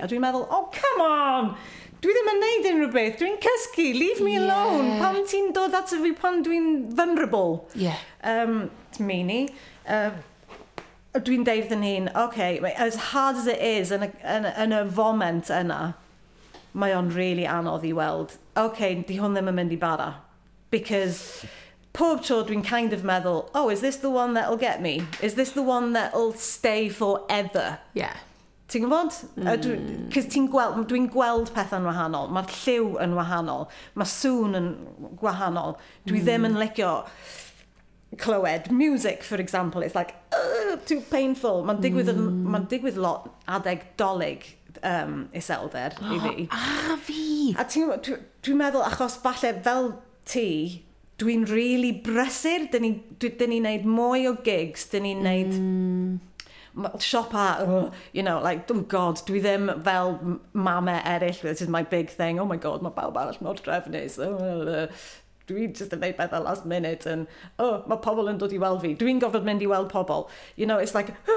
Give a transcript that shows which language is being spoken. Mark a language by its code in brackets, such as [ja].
[cy] A dwi'n meddwl, [en] oh, come on! [cy] Dwi ddim yn neud unrhyw beth, dwi'n cysgu, [en] leave me alone, [cy] pan ti'n dod at y fi pan dwi'n vulnerable. Yeah. Me ni. Dwi'n deud yn hyn, [en] okay, as hard as it is [cy] yn y foment yna, mae o'n really anodd I weld. Okay, di hwn ddim yn mynd I bara. [en] Because [cy] pob tro dwi'n [en] kind of meddwl, oh, is this the one that'll get me? Is this the one that'll stay forever? Yeah. [cy] Ti'n gwybod? Cys dwi'n gweld pethau'n wahanol. Mae'r lliw yn wahanol. Mae sŵn yn gwahanol. Dwi ddim yn licio clywed. [en] Music, for example, it's like, too painful. [cy] Mae'n digwydd lot adeg dolig iselder I fi. A fi! A dwi'n meddwl, achos falle fel ti, dwi'n really brysur. Dyn ni'n neud mwy o gigs. Dyn ni'n neud... Siopa, [en] you know, like, oh god, [cy] dwi ddim fel mame eraill, [en] this is my big thing, oh my god, [cy] mae bawb arall mor drefnus, dwi just yn neud bethau last minute, and oh, mae pobl yn dod I weld fi, dwi'n gofod mynd I weld pobl, [en] you know, it's like,